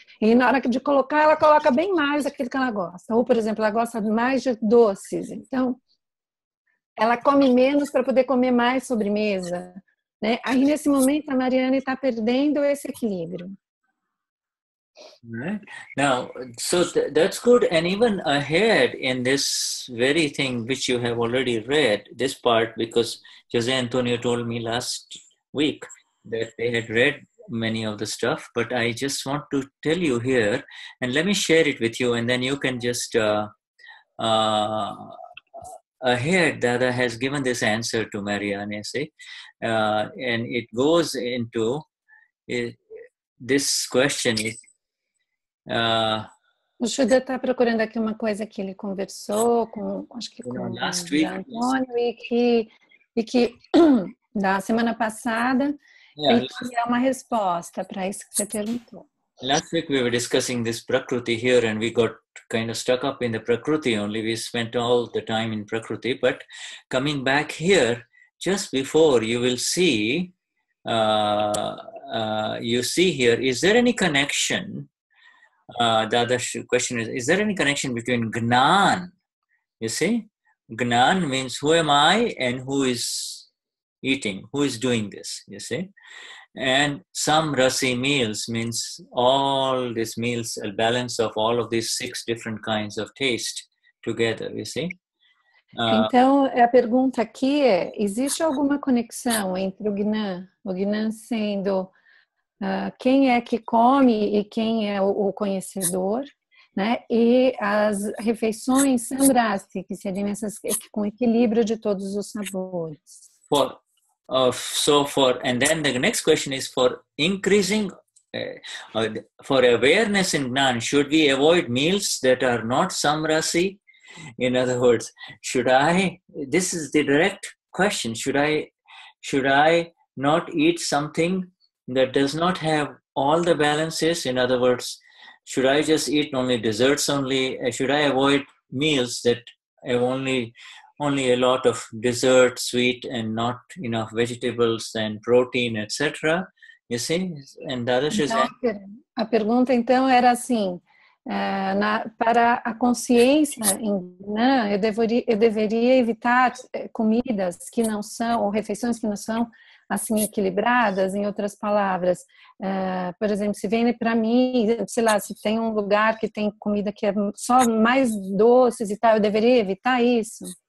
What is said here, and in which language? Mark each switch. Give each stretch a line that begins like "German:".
Portuguese: E na hora de colocar, ela coloca bem mais aquilo que ela gosta. Ou, por exemplo, ela gosta mais de doces. Então, ela come menos para poder comer mais sobremesa. Né? Aí, nesse momento, a Mariane está perdendo esse equilíbrio.
English: Right. Now, so that's good. And even ahead in this very thing, which you have already read, this part, because Jose Antonio told me last week that they had read many of the stuff, but I just want to tell you here, and let me share it with you, and then you can just, ahead, Dada has given this answer to Marianne, say, and it goes into this question.
Portuguese: O Shuddha está procurando aqui uma coisa que ele conversou com, acho que com
English: last week,
Portuguese: Antônio, e que da semana passada, yeah, e que é uma resposta para isso que você perguntou.
English: Last week we were discussing this prakriti here and we got kind of stuck up in the prakriti only. We spent all the time in prakriti, but coming back here, just before you will see, you see here, is there any connection? The other question is there any connection between Gnan? You see, Gnan means who am I and who is eating, who is doing this, you see. And some rasi meals means all these meals, a balance of all of these six different kinds of taste together, you see.
Portuguese: Então, a pergunta aqui é, existe alguma conexão entre o Gnan sendo... quem é que come e quem é o conhecedor, né? E as refeições sambrasti, que seriam essas com equilíbrio de todos os sabores.
English: For, so for, and then the next question is for increasing, for awareness in Gnan, should we avoid meals that are not sambrasti? In other words, should I, this is the direct question, should I not eat something that does not have all the balances? In other words, should I just eat only desserts only? Should I avoid meals that have only a lot of dessert, sweet, and not enough vegetables and protein, etc.? You see? And the other is...
Portuguese: A pergunta, então, era assim, para a consciência, eu deveria evitar comidas que não são, ou refeições que não são, assim, equilibradas, em outras palavras, por exemplo, se vem para mim, sei lá, se tem um lugar que tem comida que é só mais doces e tal, eu deveria evitar isso?